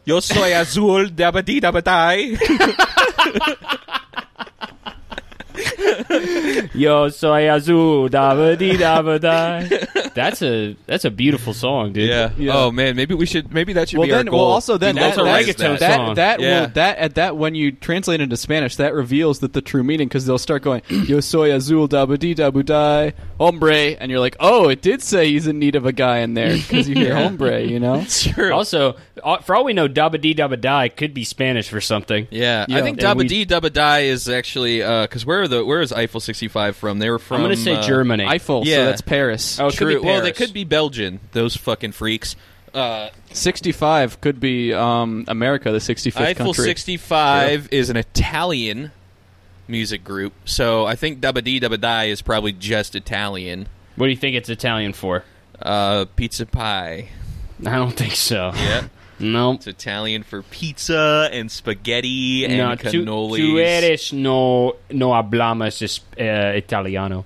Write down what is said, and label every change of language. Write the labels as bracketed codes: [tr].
[es] Yo soy azul, dabadi dabadai. Yo soy azul, dabadi dabadai. [en] That's a beautiful song, dude. Yeah. Oh man, maybe that should well, be then, our goal. Well, also then that's a reggaeton song. That when you translate into Spanish, that reveals that the true meaning, because they'll start going [es] yo soy azul, dabadi dabadai, hombre, [en] and you're like, oh, it did say he's in need of a guy in there because you hear hombre, you know. True. Also, for all we know, dabadi dabadai could be Spanish for something. Yeah. I think dabadi dabadai is actually because where is Eiffel 65 from? They were from, I'm gonna say Germany. Eiffel, yeah. So that's Paris. Oh, okay. True. Well, they could be Belgian, those fucking freaks. 65 could be America, the 65th Eiffel country. Eiffel 65 is an Italian music group, so I think Dabba Dee Dabba Dai is probably just Italian. What do you think it's Italian for? Pizza pie. I don't think so. Yeah. No. Nope. It's Italian for pizza and spaghetti and cannolis. [es] Tu eres no hablamos italiano.